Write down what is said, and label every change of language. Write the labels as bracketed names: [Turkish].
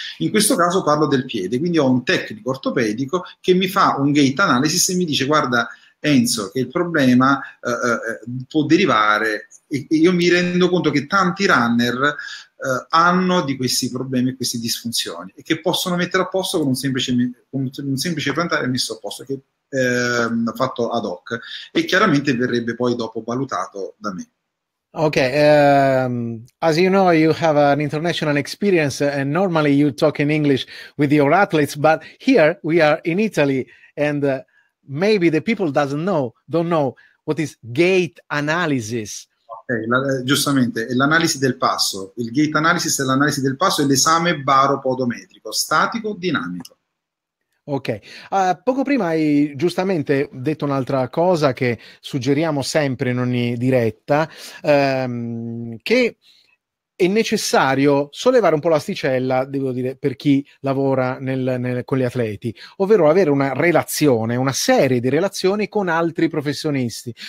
[Italian] In questo caso parlo del piede, quindi ho un tecnico ortopedico che mi fa un gait analysis e mi dice: guarda Enzo, che il problema può derivare, e io mi rendo conto che tanti runner hanno di questi problemi e queste disfunzioni, e che possono mettere a posto con un semplice plantare messo a posto, che fatto ad hoc, e chiaramente verrebbe poi dopo valutato da me. [English] Ok, as you know, you have an international experience and normally you talk in English with your athletes, but here we are in Italy and maybe the people don't know what is gait analysis. [Italian] Giustamente, è l'analisi del passo. Il gait analysis è l'analisi del passo, è l'esame baropodometrico, statico o dinamico. Ok, poco prima hai giustamente detto un'altra cosa che suggeriamo sempre in ogni diretta, che è necessario sollevare un po' l'asticella, devo dire, per chi lavora con gli atleti, ovvero avere una relazione, una serie di relazioni con altri professionisti.